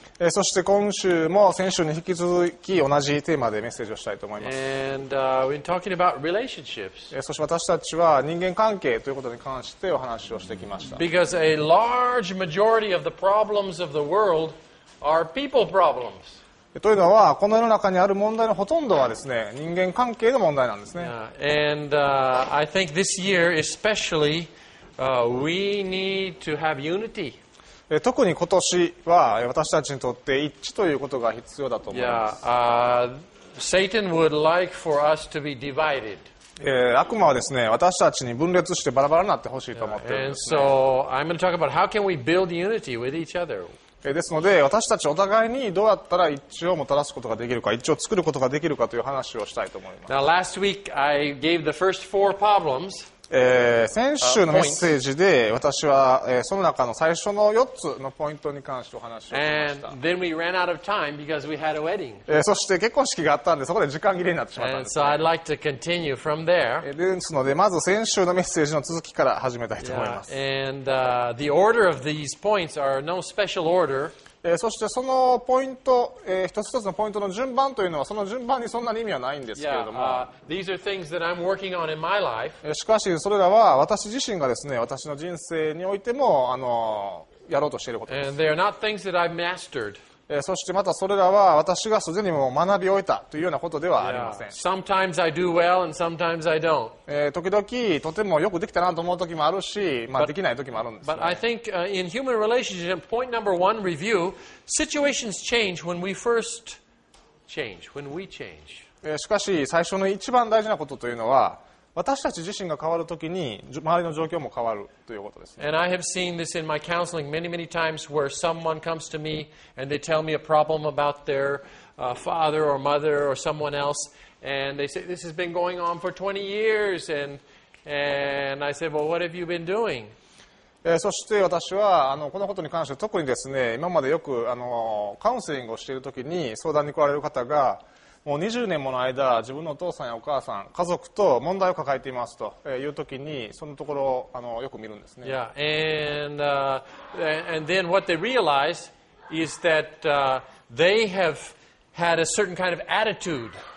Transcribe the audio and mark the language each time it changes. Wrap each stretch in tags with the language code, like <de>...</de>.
<ja>そして今週も先週に引き続き同じテーマでメッセージをしたいと思います。</ja> <en>And, we're talking about relationships.</en> <ja>そして私たちは人間関係ということに関してお話をしてきました。</ja> <en>Because a large majority of the problems of the world are people problems.</en> <ja>というのはこの世の中にある問題のほとんどはですね、人間関係の問題なんですね。</ja> <en>And I think this year especially, we need to have unity.</en> <ja>特に今年は私たちにとって一致ということが必要だと思います。</ja> <en>Satan would like for us to be divided.</en> <ja>悪魔はですね、私たちに分裂してバラバラになってほしいと思っているんですね。</ja> <en>And so I'm going to talk about how can we build unity with each other.</en> <ja>ですので私たちお互いにどうやったら一致をもたらすことができるか、一致を作ることができるかという話をしたいと思います。</ja> <en>Now, last week, I gave the first four problems,</en> <ja>先週のメッセージで私は、その中の最初の4つのポイントに関してお話をしました。</ja> <en>And then we ran out of time because we had a wedding.</en> <ja>そして結婚式があったんでそこで時間切れになってしまったんです、ね、</ja> <en>And so I'd like to continue from there.</en> <ja>ですのでまず先週のメッセージの続きから始めたいと思います。</ja> <en>Yeah. And, the order of these points are no special order.</en> <ja>そしてそのポイント、一つ一つのポイントの順番というのはその順番にそんなに意味はないんですけれども、</ja> <en>these are things that I'm working on in my life.</en> <ja>しかしそれらは私自身がですね、私の人生においてもやろうとしていることです。</ja> <en>And they are not things that I've mastered.</en> <ja>そしてまたそれらは私がすでにもう学び終えたというようなことではありません。</ja> <en>Yeah. Sometimes I do well and sometimes I don't.</en> <ja>時々とてもよくできたなと思う時もあるし、まあ、できない時もあるんですね。</ja> <en>But I think in human relationship, point number one, review, situations change when we first change, when we change.</en> <ja>しかし最初の一番大事なことというのは私たち自身が変わるときに周りの状況も変わるということです、ね、</ja> <en>And I have seen this in my counseling many, many times where someone comes to me and they tell me a problem about their father or mother or someone else and they say, this has been going on for 20 years and I say, well, what have you been doing?</en> <ja>そして私はこのことに関して特にですね、今までよくカウンセリングをしているときに相談に来られる方がもう20年もの間自分のお父さんやお母さん家族と問題を抱えていますというときにそのところをよく見るんですね。</ja> <en>Yeah. And, and then what they realize is that they have had a certain kind of attitude.</en>